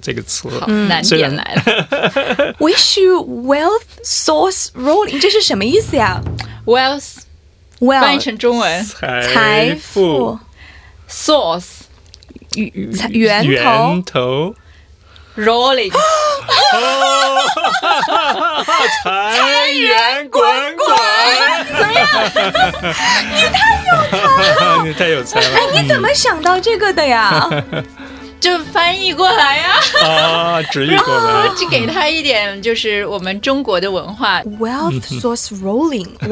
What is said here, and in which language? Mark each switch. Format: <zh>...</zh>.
<zh>这个词，难点来了。</zh> <en>Wish you wealth sauce rolling，</en> <zh>这是什么意思呀？ Wealth， 翻译成中文，财富 sauce。源头</zh> <en>rolling，</en> <zh>财源滚滚，怎么样？你太有才了！哎，你怎么想到这个的呀？就翻译过来呀！啊，直译过来，就给他一点，就是我们中国的文化</zh> <en>wealth sauce rolling，</en>